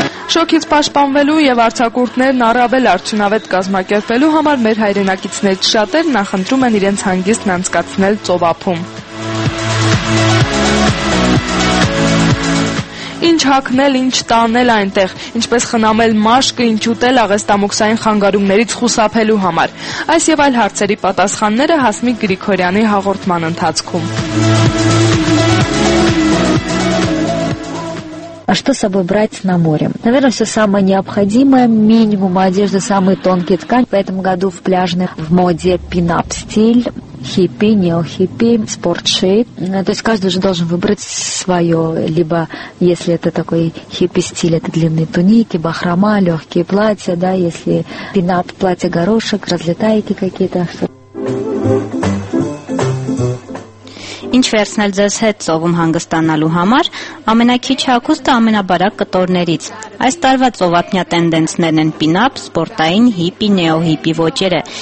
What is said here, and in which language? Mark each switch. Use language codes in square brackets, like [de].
[hy] Շոկից պաշտպանվելու եւ արցակուրտներն առավել արդյունավետ կազմակերպելու համար մեր հայրենակիցներից շատերն նախընտրում են իրենց հանգիստն անցկացնել ծովափում։ Ինչ հագնել, ինչ տանել այնտեղ, ինչպես խնամել մաշկը, ինչ ուտել աղեստամուքսային խանգարումներից խուսափելու համար։ Այս եւ այլ հարցերի պատասխանները Հասմիկ Գրիգորյանի հաղորդման ընթացքում։ [ru] А что с собой брать на море? Наверное, все самое необходимое, минимум одежды, самые тонкие ткани. В этом году в пляжной в моде пин-ап стиль. Хиппи, неохиппи, спортшейп. То есть каждый уже должен выбрать свое. Либо, если это такой хиппи-стиль, это длинные туники, бахрома, легкие платья, да, если пин-ап, платье-горошек, разлетайки какие-то. [hy] Ինչ վերցնել ձեզ հետ ծովում հանգստանալու համար, ամենաքիչ հագուստը ամենաբարակ կտորներից։ Այս տարվա ծովափնյա տենդենսներն են պինապ, սպորտային, հիպի, նեոհիպի ոճերը։